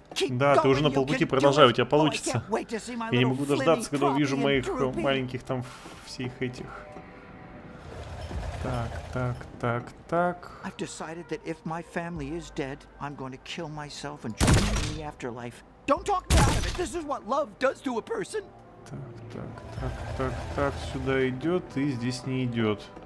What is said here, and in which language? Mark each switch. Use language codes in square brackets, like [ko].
[ru] Да, ты уже на полпути, продолжай, у тебя получится. Я не могу дождаться, когда увижу моих маленьких там всех этих. Так, так, так, так. [en] I've decided that if my family is dead, I'm going to kill myself and join in the afterlife. Don't talk me out of it. This is what love does to a person. [ru] Так, так, так, так, так, сюда идет и здесь не идет.